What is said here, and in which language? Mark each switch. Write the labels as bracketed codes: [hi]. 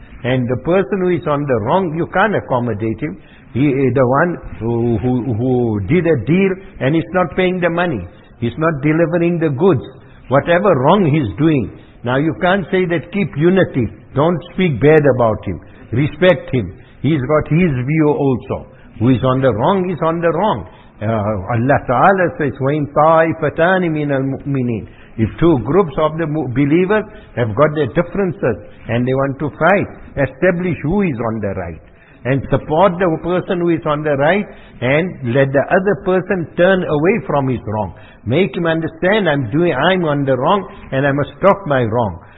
[en] And the person who is on the wrong, you can't accommodate him. The one who did a deal and is not paying the money. He's not delivering the goods. Whatever wrong he's doing. Now you can't say that keep unity. Don't speak bad about him. Respect him. He's got his view also. Who is on the wrong is on the wrong. Allah Ta'ala says, [ar] وَإِن طَائِفَتَانِ مِنَ الْمُؤْمِنِينَ. [en] If two groups of the believers have got their differences and they want to fight, establish who is on the right. And support the person who is on the right, and let the other person turn away from his wrong. Make him understand I'm on the wrong and I must stop my wrong.